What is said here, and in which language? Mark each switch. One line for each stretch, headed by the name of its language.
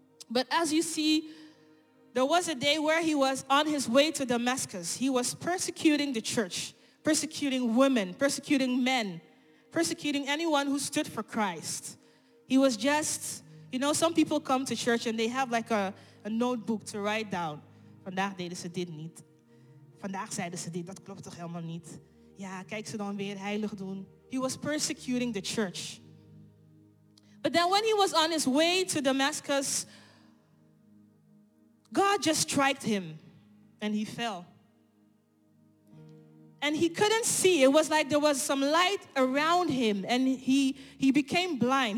English: But as you see, there was a day where he was on his way to Damascus. He was persecuting the church, persecuting women, persecuting men, persecuting anyone who stood for Christ. He was just, you know, some people come to church and they have like a notebook to write down.
Dutch: Vandaag deden ze dit niet. Vandaag zeiden ze dit. Dat klopt toch helemaal niet. Ja, kijk ze dan weer heilig doen.
English: He was persecuting the church. But then when he was on his way to Damascus, God just striked him and he fell. And he couldn't see. It was like there was some light around him and he became blind.